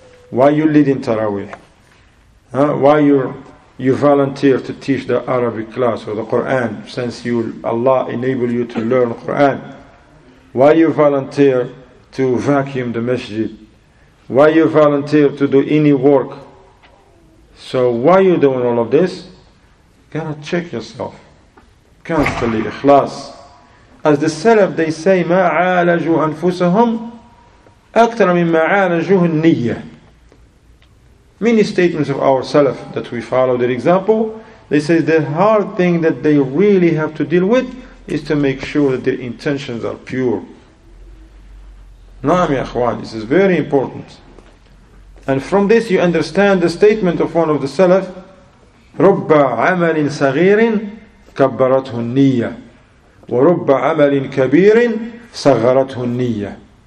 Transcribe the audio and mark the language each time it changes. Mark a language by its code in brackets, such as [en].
[en] Why you leading Taraweeh? Why you volunteer to teach the Arabic class or the Quran since you Allah enable you to learn Quran? Why you volunteer to vacuum the masjid? Why you volunteer to do any work? So why you doing all of this? You gotta check yourself. Constantly, ikhlas. [ar] As the Salaf, they say, مَا عَالَجُوا أَنفُسَهُمْ أَكْتَرَ مِمَّا عَالَجُوهُ النِّيَّةِ. [en] Many statements of our Salaf that we follow their example, they say the hard thing that they really have to deal with is to make sure that their intentions are pure. [ar] Naam, ya akhwan, [en] this is very important. [ar] And from this you understand the statement of one of the Salaf, رُبَّ عَمَلٍ صَغِيرٍ كَبَّرَتْهُ النِّيَّةِ وَرُبَّ عَمَلٍ كَبِيرٍ صَغَّرَتْهُ النِّيَّةِ.